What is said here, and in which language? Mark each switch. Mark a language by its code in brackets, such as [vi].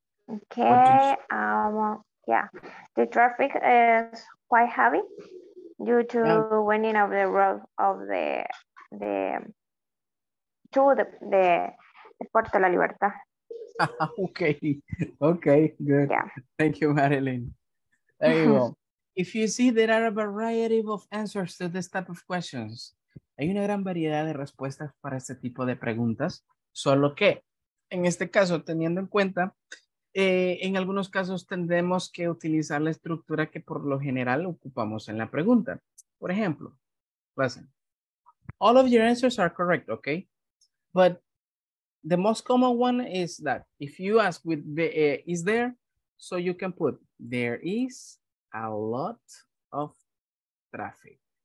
[en] Okay, yeah, the traffic is quite heavy due to winding of the road of the Puerto La Libertad. Okay, good. Yeah. Thank you, Marilyn. There you go. If you see, there are a variety of answers to this type of questions. [es] Hay una gran variedad de respuestas para este tipo de preguntas, solo que en este caso, teniendo en cuenta, en algunos casos tendremos que utilizar la estructura que por lo general ocupamos en la pregunta. Por ejemplo, [en] listen. All of your answers are correct, okay? But the most common one is that if you ask with the is there, so you can put there is a lot of traffic.